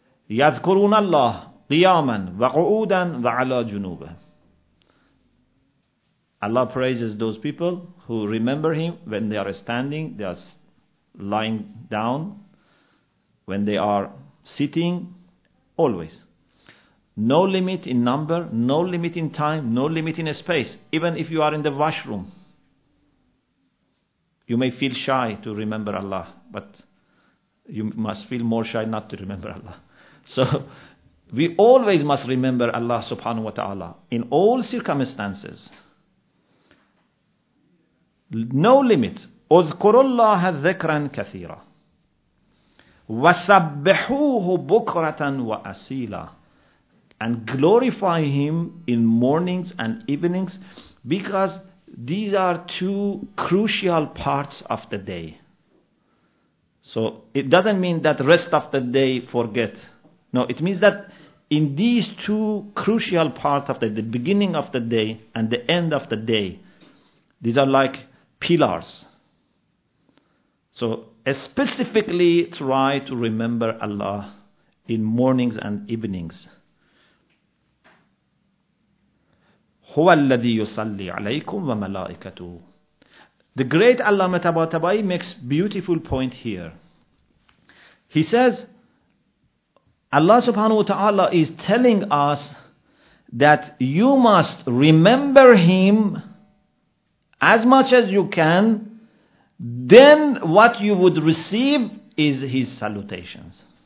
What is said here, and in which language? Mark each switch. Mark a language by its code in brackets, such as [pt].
[ar] يذكرون الله قياما وقعودا وعلى جنوبه. [en] Allah praises those people who remember Him when they are standing, they are lying down, when they are sitting, always. No limit in number, no limit in time, no limit in space. Even if you are in the washroom, you may feel shy to remember Allah, but you must feel more shy not to remember Allah. So we always must remember Allah subhanahu wa ta'ala in all circumstances. No limit. [ar] اذكروا الله ذكرا كثيرا وسبحوه بكرة وأصيلا. [en] And glorify Him in mornings and evenings, because these are two crucial parts of the day. So it doesn't mean that rest of the day forget. No, it means that in these two crucial parts of the beginning of the day and the end of the day, these are like pillars. So specifically try to remember Allah in mornings and evenings. [ar] هو الذي يصلي عليكم وملائكته. [en] The great Allama Tabatabai makes beautiful point here. He says, Allah subhanahu wa ta'ala is telling us that you must remember Him as much as you can, then what you would receive is His salutations.